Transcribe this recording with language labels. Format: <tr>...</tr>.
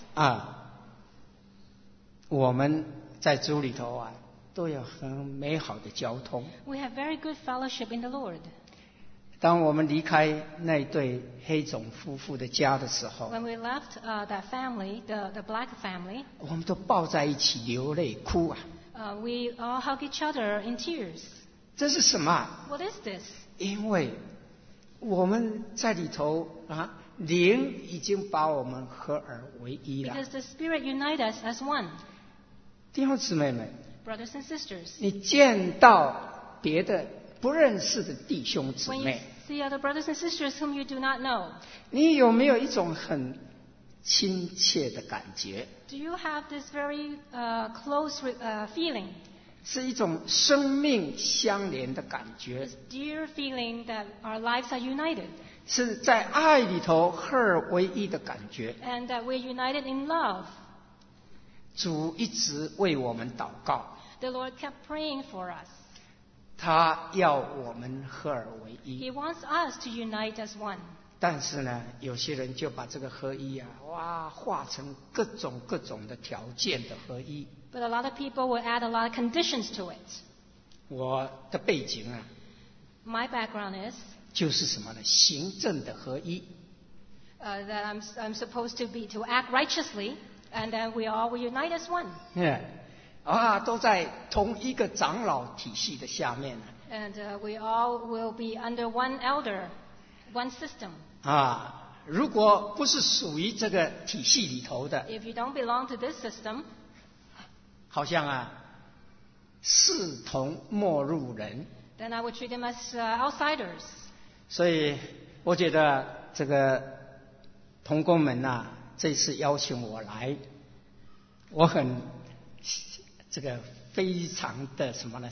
<zh>啊，我们在主里头啊，都有很美好的交通。</zh> <en>We have very good fellowship in the Lord.</en> <zh>当我们离开那对黑种夫妇的家的时候</zh> <en>，When we left that family, the black family,</en> <zh>我们都抱在一起流泪哭啊。</zh> <en>We all hug each other in tears.</en> <zh>这是什么</zh> <en>？What is this?</en> <zh>因为我们在里头啊。灵已经把我们合而为一了。</zh> <en>Because the Spirit unites us as one.</en> <zh>弟兄姊妹们</zh> <en>，Brothers and sisters，</en> <zh>你见到别的不认识的弟兄姊妹</zh> <en>，When you see other brothers and sisters whom you do not know，</en> <zh>你有没有一种很亲切的感觉</zh> <en>？Do you have this very close feeling？</en> <zh>是一种生命相连的感觉。</zh> <en>This dear feeling that our lives are united。</en> <zh>是在爱里头合而为一的感觉。</zh> <en>And that we're united in love.</en> <zh>主一直为我们祷告。</zh> <en>The Lord kept praying for us.</en> <zh>他要我们合而为一。</zh> <en>He wants us to unite as one.</en> <zh>但是呢，有些人就把这个合一啊，哇，化成各种各种的条件的合一。</zh> <en>But a lot of people will add a lot of conditions to it.</en> <zh>我的背景啊。</zh> <en>My background is.</en> <zh>就是什么呢？行政的合一。</zh> <en>That I'm supposed to be to act righteously, and then we all we unite as one. Yeah.</en> <zh>啊，都在同一个长老体系的下面呢。</zh> <en>And we all will be under one elder, one system.</en> <zh>啊，如果不是属于这个体系里头的。</zh> <en>If you don't belong to this system.</en> <zh>好像啊，视同陌路人。</zh> <en>Then I would treat them as outsiders.</en> <zh>所以我觉得这个同工们呐、啊，这次邀请我来，我很这个非常的什么呢？</zh>